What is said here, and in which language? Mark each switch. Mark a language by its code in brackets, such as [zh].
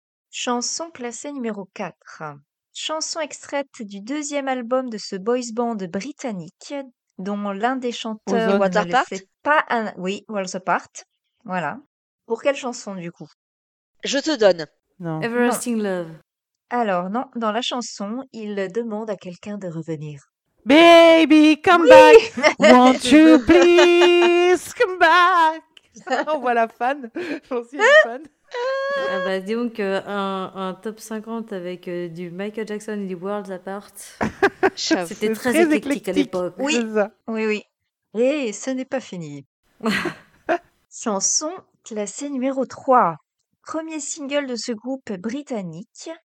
[fr] Chanson classée numéro 4. Chanson extraite du deuxième album de ce boys band britannique, dont l'un des chanteurs... [en] Walls Apart ? [fr] Pas un... Oui, Walls Apart. Voilà. Pour quelle chanson, du coup ? Je te donne. Non. [en] Everlasting Love. [fr] Alors, non, dans la chanson, il demande à quelqu'un de revenir. [en] Baby, come back. Won't you please come back? [fr] On voit la fan. J'en suis une fan. Ah bah dis donc, un top 50 avec du Michael Jackson et du World's Apart, c'était très, très éclectique, éclectique à l'époque. Oui, oui, oui. Et ce n'est pas fini. Chanson classée numéro 3. Premier single de ce groupe britannique.